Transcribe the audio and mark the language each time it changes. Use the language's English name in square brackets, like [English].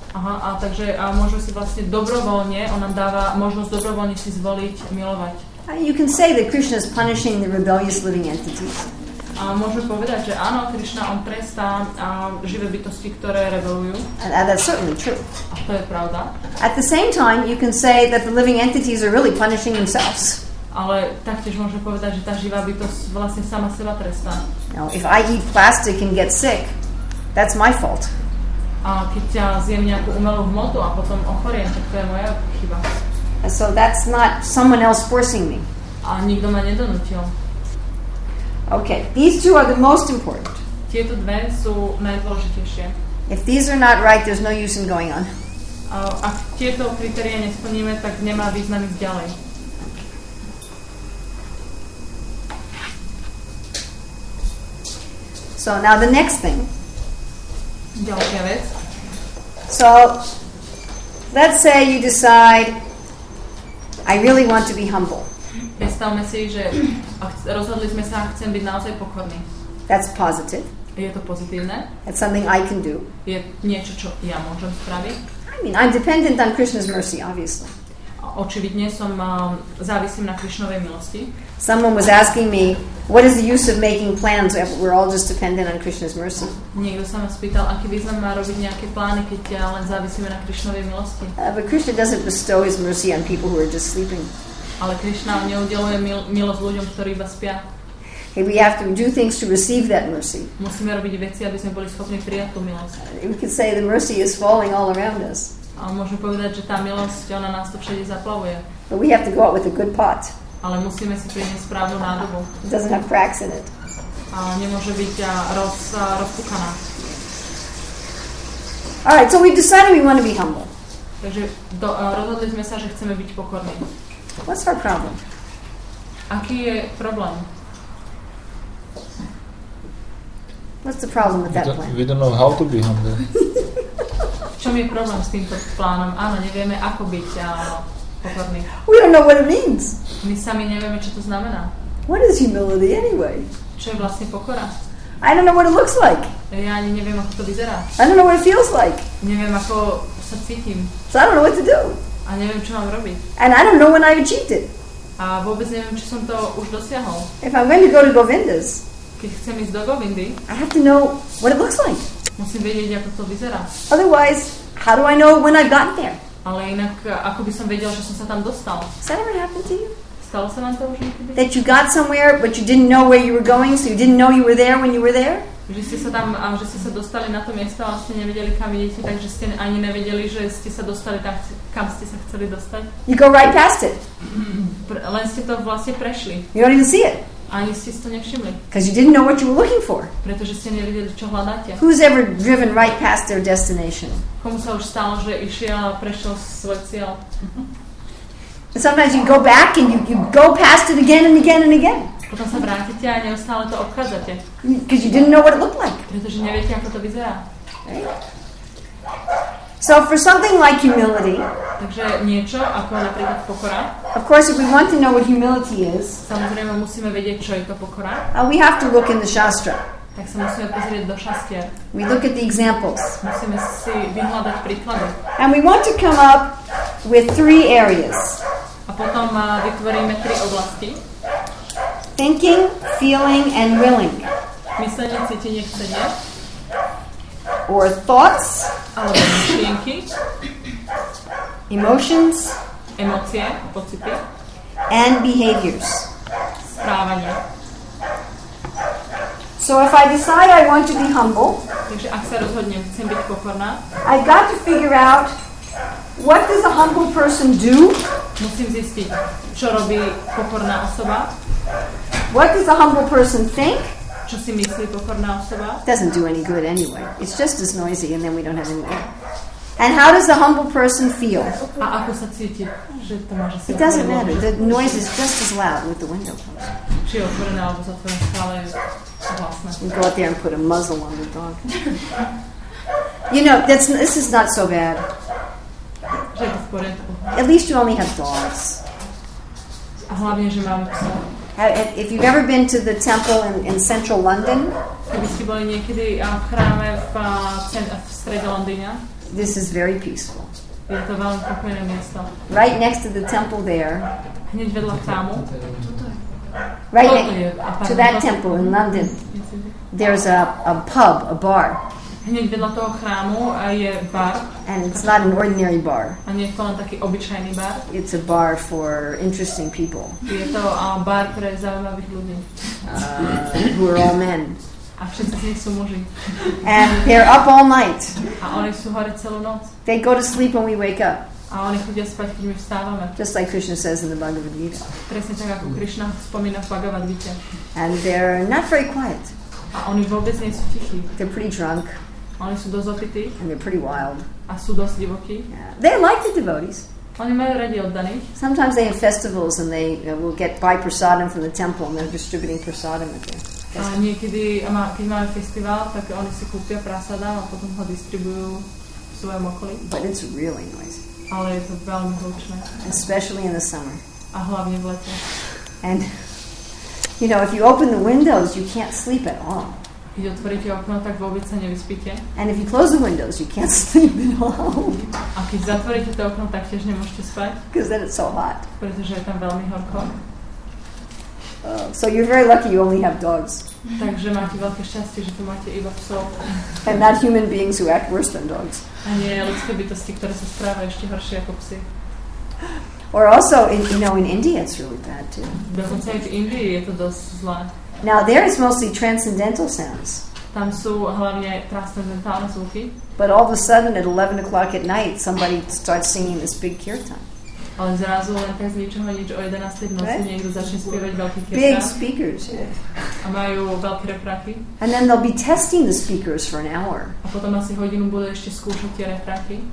[Slovak] Aha, a takže a môže si vlastne dobrovoľne, on nám dáva možnosť dobrovoľne si zvoliť milovať. [English] You can say that Krishna is punishing the rebellious living entities. [Slovak] Môžeme povedať, že áno, Krišna on trestá živé bytosti, ktoré rebelujú. [English] And that's certainly true. [Slovak] A to je pravda. [English] At the same time, you can say that the living entities are really punishing themselves. [Slovak] Ale taktiež môžeme povedať, že tá živá bytosť vlastne sama seba trestá. [English] Now, if I eat plastic and get sick, that's my fault. [Slovak] A keď ja zjem nejakú umelú hmotu a potom ochoriem, tak to je moja chyba. [English] So that's not someone else forcing me. [Slovak] A nikto ma nedonútil. [English] Okay, these two are the most important. [Slovak] Tieto dve sú najdôležitejšie. [English] If these are not right, there's no use in going on. [Slovak] Ak tieto kritériá nesplníme, tak nemá význam ísť ďalej. [English] So now the next thing. [Slovak] Ďalšia vec. [English] So let's say you decide I really want to be humble. [Slovak] Predstavme si, že rozhodli sme sa, chcem byť naozaj pokorný. [English] That's positive. [Slovak] Je to pozitívne. [English] It's something I can do. [Slovak] Je niečo, čo ja môžem spraviť. [English] I mean, I'm dependent on Krishna's mercy, obviously. [Slovak] Očividne som závislým na Krišnovej milosti. [English] Someone was asking me, what is the use of making plans if we're all just dependent on Krishna's mercy? [Slovak] Niekto sa ma spýtal, aký význam má robiť nejaké plány, keď ja len závisíme na Krišnovej milosti. [English] But Krishna doesn't bestow his mercy on people who are just sleeping. [Slovak] Ale Krishna neudeľuje milosť ľuďom, ktorí iba spia. [English] Hey, we have to do things to receive that mercy. [Slovak] Musíme robiť veci, aby sme boli schopní prijať tú milosť. [English] We could say the mercy is falling all around us. [Slovak] A môžeme povedať, že tá milosť, ona nás to všade zaplavuje. [English] But we have to go out with a good pot. [Slovak] Ale musíme si priniesť správnu nádobu. [English] It doesn't have cracks in it. [Slovak] A nemôže byť rozpukaná. [English] All right, so we decided we want to be humble. [Slovak] Takže rozhodli sme sa, že chceme byť pokorní. [English] What's our problem? [Slovak] Aký je problém? [English] What's the problem with that plan? We don't know how to be humble. [Slovak] V čom je problém s týmto plánom? Áno, nevieme, ako byť pokorný. [English] We don't know what it means. [Slovak] My sami nevieme, čo to znamená. [English] What is humility anyway? [Slovak] Čo je vlastne pokora? [English] I don't know what it looks like. [Slovak] Ja ani neviem, ako to vyzerá. [English] I don't know what it feels like. [Slovak] Neviem, ako sa cítim. [English] So I don't know what to do. [Slovak] A neviem, čo mám robiť. [English] And I don't know when I achieved it. [Slovak] A vôbec neviem, či som to už dosiahol. [English] If I'm going to go to Govindas, [Slovak] keď chcem ísť do Govindy, [English] I have to know what it looks like. [Slovak] Musím vedieť, ako to vyzerá. [English] Otherwise, how do I know when I've gotten there? [Slovak] Ale inak, ako by som vedel, že som sa tam dostal? [English] Has that ever happened to you? [Slovak] Stalo sa vám to už niekedy? [English] That you got somewhere, but you didn't know where you were going, so you didn't know you were there when you were there? [Slovak] Že ste sa tam, a že ste sa dostali na to miesto, ale ste nevedeli, kam idete, takže ste ani nevedeli, že ste sa dostali tam, kam ste sa chceli dostať. [English] You go right past it. [Slovak] Len ste to vlastne prešli. [English] You don't even see it. [Slovak] Ani ste si to nevšimli. [English] Because you didn't know what you were looking for. [Slovak] Pretože ste nevedeli, čo hľadáte. [English] Who's ever driven right past their destination? [Slovak] Komu sa už stalo, že išiel a prešiel svoj cieľ? [English] Sometimes you go back and you go past it again and again and again. [Slovak] Potom sa vrátite a neustále to obchádzate. [English] Because you didn't know what it looked like. [Slovak] Pretože neviete, ako to vyzerá. [English] So for something like humility, [Slovak] takže niečo ako napríklad pokora. [English] Of course, if we want to know what humility is, [Slovak] samozrejme musíme vedieť, čo je to pokora. [English] We have to look in the Shastra. [Slovak] Tak sa musíme pozrieť do Šastier. [English] We look at the examples. [Slovak] Musíme si vyhľadať príklady. [English] And we want to come up with three areas. [Slovak] A potom vytvoríme tri oblasti. [English] Thinking, feeling and willing. [Slovak] Myslenie, cítenie, chcenie. [English] Or thoughts. [Slovak] Alebo myšlienky. [English] Emotions. [Slovak] Emócie, pocity. [English] And behaviors. [Slovak] Správanie. [English] So if I decide I want to be humble, [Slovak] takže ak sa rozhodnem, chcem byť pokorná, [English] I got to figure out what does a humble person do? [Slovak] Musím zistiť, čo robí pokorná osoba. [English] What does a humble person think? [Slovak] Čo si myslí pokorná osoba? [English] Doesn't do any good anyway. It's just as noisy and then we don't have any more. And how does a humble person feel? [Slovak] A ako sa cíti, že to má, že [English] it doesn't matter. The noise is just as loud with the window closed. [Slovak] Či je otvorená alebo zatvorená stále vlastne. [English] You go out there and put a muzzle on the dog. You know, this is not so bad. At least you only have dogs. [Slovak] Hlavne, že mám psa. [English] If you've ever been to the temple in central London, [Slovak] keby ste boli niekedy v chráme v strede Londýna, [English] this is very peaceful. [Slovak] Je to veľmi pokojné miesto. [English] Right next to the temple there, [Slovak] hneď vedľa chrámu, [English] right next to that temple in London. There's a pub, a bar. [Slovak] Hneď vedľa toho chrámu je bar. [English] And it's not an ordinary bar. [Slovak] A nie je to len taký obyčajný bar. [English] It's a bar for interesting people. [Slovak] Je to bar pre zaujímavých ľudí. [English] Who are all men. [Slovak] A všetci z nich sú muži. [English] And they're up all night. [Slovak] A oni sú hore celú noc. [English] They go to sleep when we wake up. [Slovak] A oni chodia spať, keď my vstávame. [English] Just like Krishna says in the Bhagavad Gita. [Slovak] Presne tak, ako Krishna spomína v Bhagavad Gita. [English] And they're not very quiet. [Slovak] A oni vôbec nie sú tichí. [English] They're pretty drunk. [Slovak] A oni sú dosť opití. [English] And they're pretty wild. [Slovak] A sú dosť divokí. [English] Yeah. They like the devotees. [Slovak] Oni majú radi oddaných. [English] Sometimes they have festivals and they will get buy prasadam from the temple and they're distributing prasadam at the festival. [Slovak] A niekedy, keď majú festival, tak oni si kúpia prasadam a potom ho distribujú v svojom okolí. [English] But it's really noisy. [Slovak] Ale je to veľmi hlučné. [English] Especially in the summer. [Slovak] A hlavne v lete. [English] And you know, if you open the windows, you can't sleep at all. [Slovak] Keď otvoríte okno, tak vôbec sa nevyspíte. [English] And if you close the windows, you can't sleep at all. [Slovak] A keď zatvoríte to okno, tak tiež nemôžete spať. [English] Because then it's so hot. [Slovak] Pretože je tam veľmi horko. [English] So you're very lucky you only have dogs. [Slovak] Takže máte veľké šťastie, že tu máte iba psov. [English] And not human beings who act worse than dogs. [Slovak] A nie ľudské bytosti, ktoré sa správajú ešte horšie ako psi. [English] Or also, in, you know, in India it's really bad too. [Slovak] Dokonca v Indii je to dosť zlá. [English] Now there is mostly transcendental sounds. [Slovak] Tam sú hlavne transcendentálne zvuky. [English] But all of a sudden at 11 o'clock at night somebody starts singing this big kirtan. [Slovak] Ale zrazu len tak z ničoho nič o 11 v noci niekto začne spievať veľký kirtan. [English] Big speakers, yeah. [Slovak] A majú veľké refraky. [English] And then they'll be testing the speakers for an hour. [Slovak] A potom asi hodinu budú ešte skúšať tie refraky.